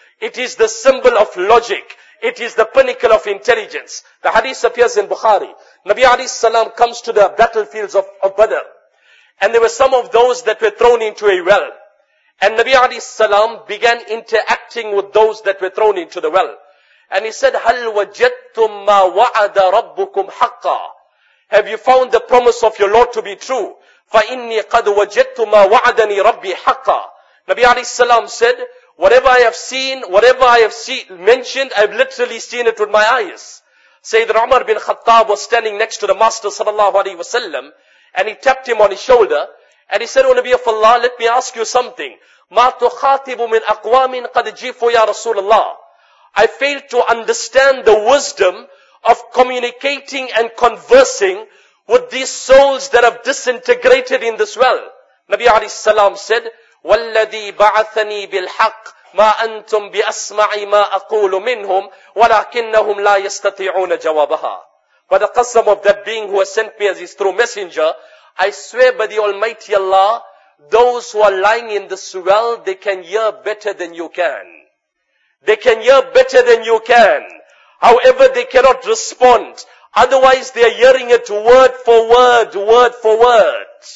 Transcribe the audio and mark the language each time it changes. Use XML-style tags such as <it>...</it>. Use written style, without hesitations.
<en>It is the symbol of logic. It is the pinnacle of intelligence. The hadith appears in Bukhari. Nabi alayhi salam comes to the battlefields of Badr. And there were some of those that were thrown into a well. And Nabi alayhi salam began interacting with those that were thrown into the well. And he said,</en> <ar>هَلْ وَجَدْتُمْ مَا وَعَدَ رَبُّكُمْ حَقَّا.</ar> <en>Have you found the promise of your Lord to be true?</en> <ar>فَإِنِّي قَدْ وَجَدْتُ مَا وَعَدَنِي رَبِّي حَقًّا.</ar> <en>Nabi alayhi salam said, whatever I have mentioned, I've literally seen it with my eyes. Sayyidina Umar bin Khattab was standing next to the Master sallallahu alayhi wa sallam, and he tapped him on his shoulder, and he said, O Nabi of Allah, let me ask you something.</en> <ar>مَا تُخَاطِبُ مِنْ أَقْوَامٍ قَدْ جِفُوا يَا رَسُولَ اللَّهِ.</ar> <en>I failed to understand the wisdom of communicating and conversing with these souls that have disintegrated in this well. Nabi alayhi salam said,</en> <ar>وَالَّذِي بَعَثَنِي بِالْحَقِّ مَا أَنْتُمْ بِأَسْمَعِ مَا أَقُولُ مِنْهُمْ وَلَكِنَّهُمْ لَا يَسْتَطِعُونَ جَوَابَهَا.</ar> <en>by the qasam of that being who has sent me as his true messenger, I swear by the Almighty Allah, those who are lying in this well, they can hear better than you can. They can hear better than you can. However, they cannot respond. Otherwise, they are hearing it word for word, word for word.</en>